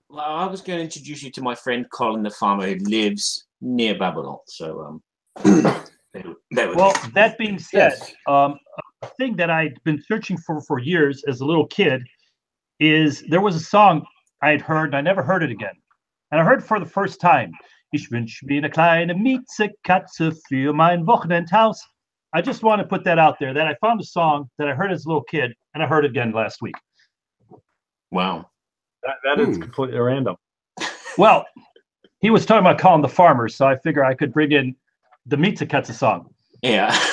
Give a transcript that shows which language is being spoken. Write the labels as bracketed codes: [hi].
[en] Well, I was going to introduce you to my friend Colin the Farmer, who lives near Babylon. So, that being said, a thing that I'd been searching for years as a little kid is there was a song I had heard, and I never heard it again. And I heard it for the first time. [de] Ich wünsche mir eine kleine Mietze Katze für mein Wochenendhaus. [en] I just want to put that out there, that I found a song that I heard as a little kid, and I heard it again last week. Wow. That is completely random. Well, he was talking about Colin the Farmer, so I figure I could bring in the Mietze Katze song. Yeah.